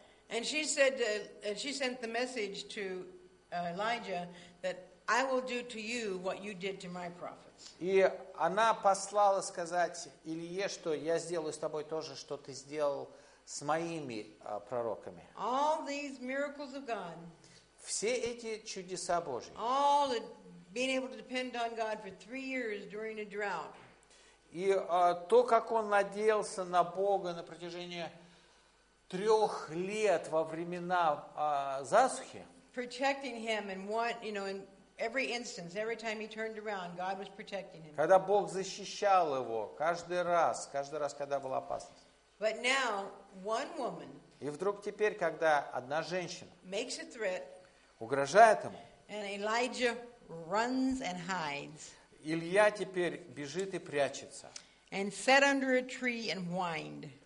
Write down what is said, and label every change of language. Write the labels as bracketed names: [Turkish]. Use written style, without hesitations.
[English] And she said, she sent the message to Elijah that I will do to you what you did to my prophets. [Russian] И она послала сказать Илье, что я сделаю с тобой то же, что ты сделал с моими пророками. [English] All these miracles of God. [Russian] Все эти чудеса Божьи. [English] All the being able to depend on God for 3 years during a drought. [Russian] И то, как он надеялся на Бога на протяжении 3 лет во времена засухи. [English] Protecting him and what, you know, and every instance, every time he turned around, God was protecting him. [Russian] Когда Бог защищал его каждый раз, когда была опасность. [English] But now one woman. [Russian] И вдруг теперь, когда одна женщина [English] makes a threat, [Russian] угрожает ему. [English] And Elijah runs and hides. [Russian] Илья теперь бежит и прячется. [English] And sat under a tree and whined.